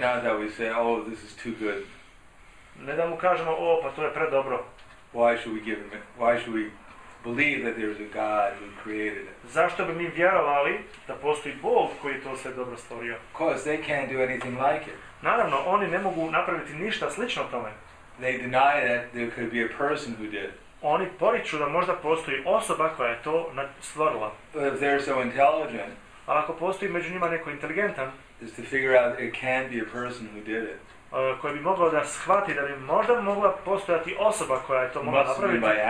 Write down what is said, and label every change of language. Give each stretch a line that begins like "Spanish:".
English: Now that we say, oh, this is too good.
Bosnian: Ne da mu kažemo, o, pa to je predobro.
English: Why should we give him it? Why should we believe that there is a God who created it?
Bosnian: Zašto bi mi vjerovali da postoji Bog koji to sve dobro stvorio?
English: Because they can't do anything like it.
Bosnian: Naravno, oni ne mogu napraviti ništa slično tome.
English: They deny that there could be a person who did.
Bosnian: Oni poriču da možda postoji osoba koja je to stvorila.
English: But if they're so intelligent,
Bosnian: a ako postoji među njima neko inteligentan,
English: is to figure out it can be a person who did it.
Bosnian: Koji bi mogao da shvati da bi možda mogla postojati osoba koja je to mogla napraviti.